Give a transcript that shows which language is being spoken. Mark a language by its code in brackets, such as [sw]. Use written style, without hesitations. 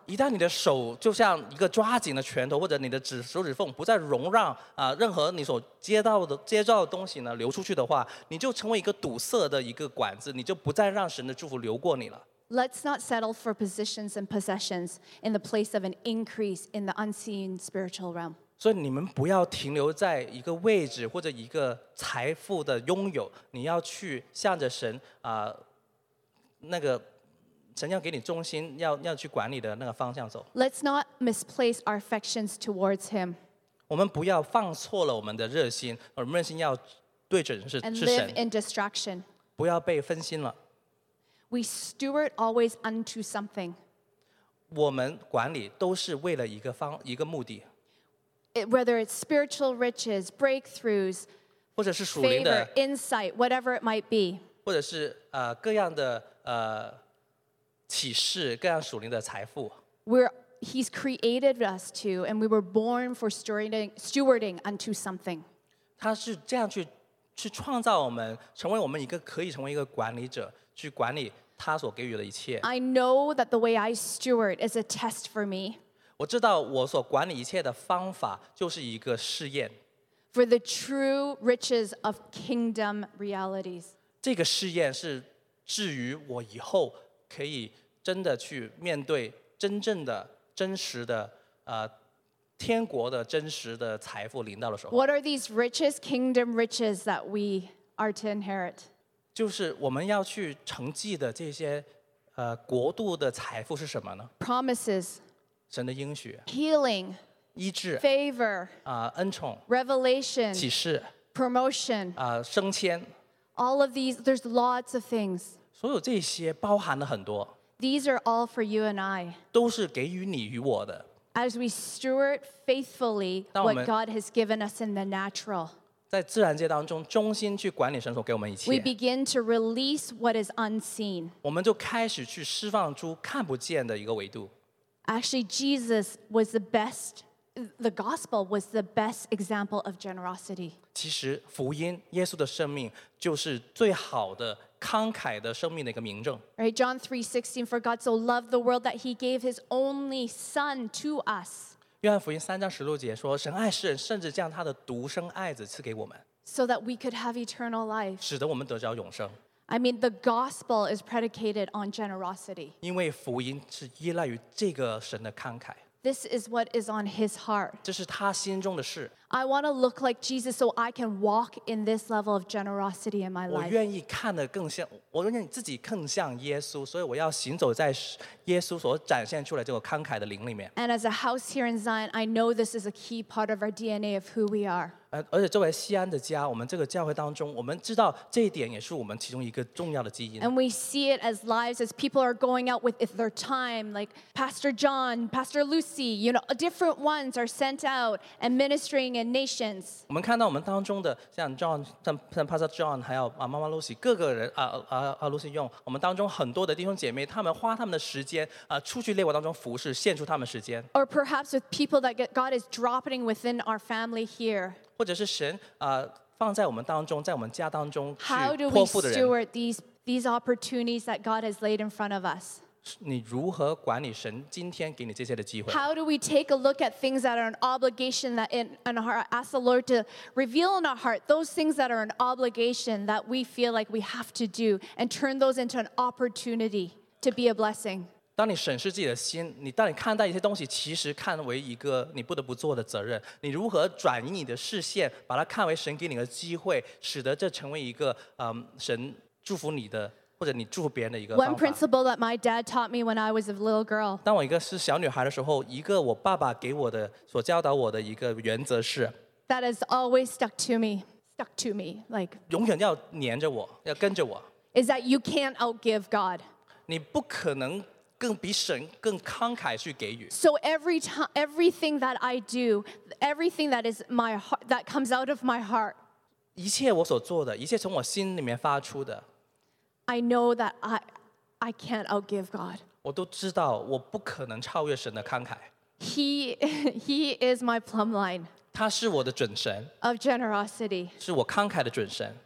[zh] 一旦你的手就像一个抓紧的拳头，或者你的手指缝不再容让任何你所接到的东西呢流出去的话，你就成为一个堵塞的一个管子，你就不再让神的祝福流过你了。 [en] Let's not settle for positions and possessions in the place of an increase in the unseen spiritual realm. [zh] 所以你们不要停留在一个位置或者一个财富的拥有，你要去向着神那个神要给你中心要去管理的那个方向走。 [en] Let's not misplace our affections towards Him. [zh] 我们不要放错了我们的热心，我们热心要对准是神。 [en] And live in distraction. [zh] 不要被分心了。 [en] We steward always unto something. [zh] 我们管理都是为了一个目的。 [en] Whether it's spiritual riches, breakthroughs, [zh] 或者是属灵的 [en] favor, insight, whatever it might be, [zh] 或者是各样的启示，各样属灵的财富。 [en] He's created us to, and we were born for stewarding unto something. [zh] 他是这样去创造我们，成为我们一个可以成为一个管理者，去管理他所给予的一切。 [en] I know that the way I steward is a test for me. [zh] 我知道我所管理一切的方法就是一个试验。 [en] For the true riches of kingdom realities. [zh] 这个试验是至于我以后可以真的去面对真正的、真实的、天国的真实的财富临到的时候。 [en] What are these riches, kingdom riches that we are to inherit? [zh] 就是我们要去承继的这些国度的财富是什么呢 [en] ？Promises. [zh] 神的应许 [en] healing [zh] 医治 [en] favor [zh] 恩宠 [en] revelation [zh] 启示 [en] promotion [zh] 升迁 [en] all of these there's lots of things [zh] 所有这些包含了很多 [en] these are all for you and I [zh] 都是给予你与我的 [en] as we steward faithfully what God has given us in the natural [zh] 在自然界当中忠心去管理神所给我们一切 [en] we begin to release what is unseen [zh] 我们就开始去释放出看不见的一个维度 [en] Actually, Jesus was the best, the gospel was the best example of generosity. [zh] 其实福音耶稣的生命就是最好的慷慨的生命的一个明证。 [en] Right, John 3:16, for God so loved the world that he gave his only son to us. [zh] 约翰福音三章十六节说神爱世人甚至将他的独生爱子赐给我们。 [en] So that we could have eternal life. [zh] 使得我们得着永生。 [en] I mean, the gospel is predicated on generosity. [zh] 因为福音是依赖于这个神的慷慨。 [en] This is what is on his heart. [zh] 这是他心中的事。 [en] I want to look like Jesus so I can walk in this level of generosity in my life. [zh] 我愿意看得更像，我愿意自己更像耶稣，所以我要行走在耶稣所展现出来这个慷慨的灵里面。 [en] And as a house here in Zion, I know this is a key part of our DNA of who we are. [zh] 而且作为西安的家，我们这个教会当中，我们知道这一点也是我们其中一个重要的基因。 [en] And we see it as lives, as people are going out with their time, like Pastor John, Pastor Lucy, you know, different ones are sent out and ministering. And nations. [zh] 我们看到我们当中的像 John, 像 Pastor John, 还有妈妈 Lucy, 各个人Lucy Young, 我们当中很多的弟兄姐妹，他们花他们的时间出去列国当中服事，献出他们时间。 [en] Or perhaps with people that God is dropping within our family here. [zh] 或者是神放在我们当中，在我们家当中去托付的人。 [en] How do we steward these opportunities that God has laid in front of us? [zh] 你如何管理神今天给你这些的机会 [en] How do we take a look at things that are an obligation that in our ask the Lord to reveal in our heart those things that are an obligation that we feel like we have to do and turn those into an opportunity to be a blessing [zh] 当你审视自己的心你当你看待一些东西其实看为一个你不得不做的责任你如何转移你的视线把它看为神给你的机会使得这成为一个神祝福你的 [en] One principle that my dad taught me when I was a little girl. [zh] 当我一个是小女孩的时候，一个我爸爸给我的所教导我的一个原则是 [en] that has always stuck to me, like [zh] 永远要粘着我，要跟着我 [en] is that you can't outgive God. [zh] 你不可能更比神更慷慨去给予。 [en] So every time, everything that I do, everything that is my heart, that comes out of my heart. [zh] 一切我所做的，一切从我心里面发出的。 [en] I know that I can't outgive God. [zh] 我都知道我不可能超越神的慷慨。 [en] He is my plumb line. [zh] 他是我的准绳。 [en] Of generosity. [zh] 是我慷慨的准绳。